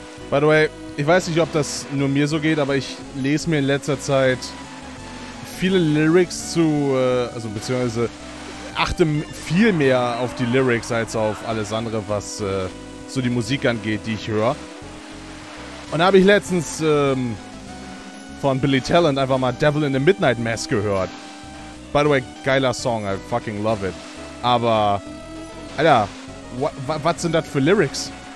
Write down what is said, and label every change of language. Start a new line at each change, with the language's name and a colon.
English: By the way,
German: ich weiß nicht, ob das nur mir so geht, aber ich lese mir in letzter Zeit viele Lyrics zu, also beziehungsweise achte viel mehr auf die Lyrics als auf alles andere, was so die Musik angeht, die ich höre. Und da habe ich letztens von Billy Talent einfach mal Devil in the Midnight Mass gehört.
English: By the way,
German: geiler Song,
English: I fucking love it.
German: Aber, Alter, was sind das für Lyrics?